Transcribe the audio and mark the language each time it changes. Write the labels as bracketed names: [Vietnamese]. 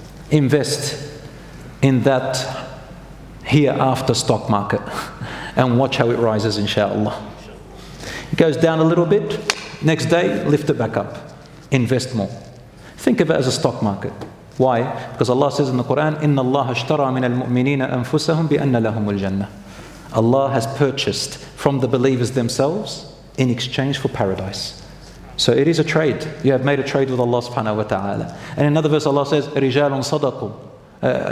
[English] Invest in that hereafter stock market and watch how it rises, inshallah. It goes down a little bit, next day, lift it back up. Invest more. Think of it as a stock market. Why? Because Allah says in the Quran, [Arabic] إِنَّ اللَّهَ اشْتَرَى مِنَ الْمُؤْمِنِينَ أَنفُسَهُمْ بِأَنَّ لَهُمُ الْجَنَّةِ. [English] Allah has purchased from the believers themselves in exchange for paradise. So it is a trade. You have made a trade with Allah subhanahu wa ta'ala. And in another verse Allah says, [Arabic] رِجَالٌ صَدَقُوا.